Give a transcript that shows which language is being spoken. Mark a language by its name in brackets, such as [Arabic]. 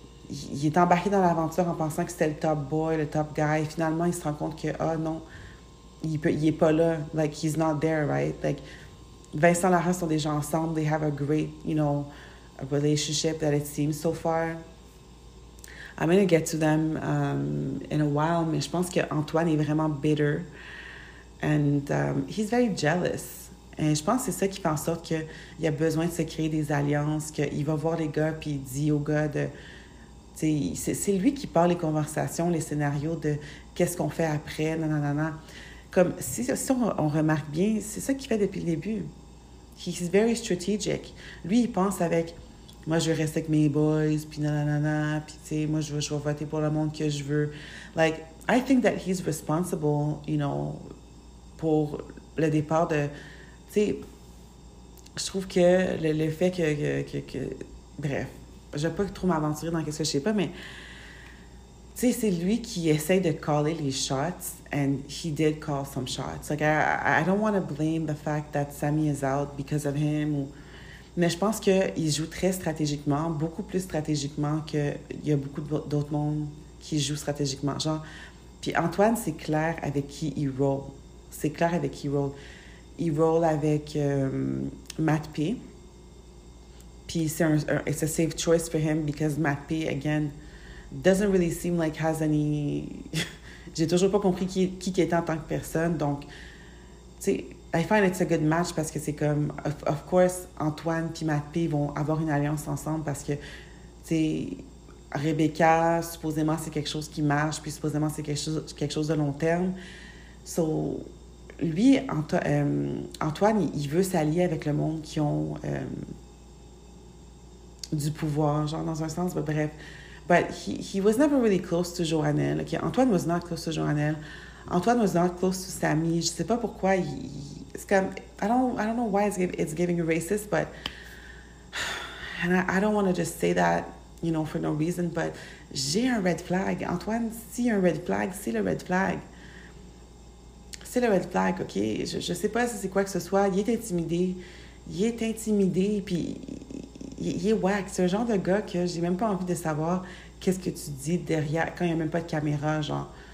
[French] il est embarqué dans l'aventure en pensant que c'était le top boy, le top guy. Finalement, il se rend compte que, ah non, il est pas là. [English] Like, he's not there, right? Like, [French] Vincent et Lara sont déjà ensemble. [English] They have a great, you know, a relationship that it seems so far. I'm going to get to them in a while, [French] mais je pense qu'Antoine est vraiment bitter. [English] And he's very jealous. [French] Et je pense que c'est ça qui fait en sorte qu'il a besoin de se créer des alliances, qu'il va voir les gars, puis il dit aux gars de... c'est lui qui parle les conversations, les scénarios de qu'est-ce qu'on fait après, nanana. Comme, si on remarque bien, c'est ça qu'il fait depuis le début. [English] He's very strategic. [French] Lui, il pense avec, moi, je veux rester avec mes boys, puis nanana, puis tu sais, moi, je veux voter pour le monde que je veux. [English] Like, I think that he's responsible, you know, [French] pour le départ de... Tu sais, je trouve que le fait que bref, je vais pas trop m'aventurer dans ce que je sais pas, mais tu sais, c'est lui qui essaie de caller les shots, [English] and he did call some shots. Like, I don't want to blame the fact that Sammy is out because of him, ou... [French] mais je pense qu'il joue très stratégiquement, beaucoup plus stratégiquement qu'il y a beaucoup d'autres mondes qui jouent stratégiquement. Genre, puis Antoine, c'est clair avec qui il roll. C'est clair avec qui il roll. Il roule avec Matt P. [English] Puis it's a safe choice for him because Matt P, again, doesn't really seem like has any... [French] J'ai toujours pas compris qui était en tant que personne. Donc, tu sais, [English] I find it's a good match [French] parce que c'est comme... [English] Of course, [French] Antoine puis Matt P vont avoir une alliance ensemble parce que, tu sais, Rebecca, supposément, c'est quelque chose qui marche puis supposément, c'est quelque chose de long terme. So... Lui, Antoine, il veut s'allier avec le monde qui ont du pouvoir, genre dans un sens, mais bref. [English] But he was never really close to Joannelle. Okay, Antoine was not close to Joannelle. Antoine was not close to Sammy. [French] Je sais pas pourquoi [English] it's comme, I don't know why it's giving a racist, but... And I don't want to just say that, you know, for no reason, but [French] j'ai un red flag. Antoine, si un red flag, c'est le red flag. C'est le red flag, OK? Je sais pas si c'est quoi que ce soit. Il est intimidé, puis il est whack. C'est un genre de gars que j'ai même pas envie de savoir qu'est-ce que tu dis derrière, quand il y a même pas de caméra, genre.